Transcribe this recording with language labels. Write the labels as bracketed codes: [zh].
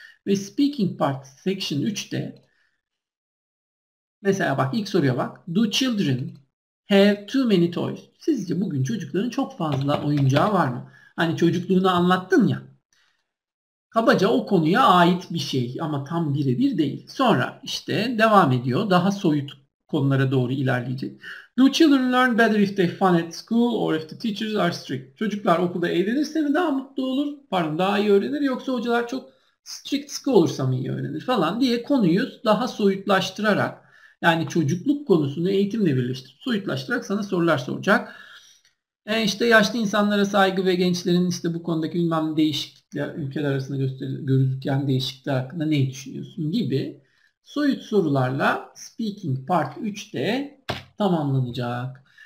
[tr] Ve speaking part section 3'te mesela bak ilk soruya bak. [en] Do children have too many toys? [tr] Sizce bugün çocukların çok fazla oyuncağı var mı? Hani çocukluğunu anlattın ya. Kabaca o konuya ait bir şey ama tam birebir değil. Sonra işte devam ediyor. Daha soyut konulara doğru ilerleyecek. [en] Do children learn better if they fun at school or if the teachers are strict? [tr] Çocuklar okulda eğlenirse mi daha mutlu olur? Pardon, daha iyi öğrenir. Yoksa hocalar çok strict olursa mı iyi öğrenir falan diye konuyu daha soyutlaştırarak Yani çocukluk konusunu eğitimle birleştirip soyutlaştırarak sana sorular soracak. İşte yaşlı insanlara saygı ve gençlerin işte bu konudaki bilmem değişiklikler, ülkeler arasında gözüken değişiklikler hakkında ne düşünüyorsun gibi soyut sorularla Speaking Part 3'te tamamlanacak.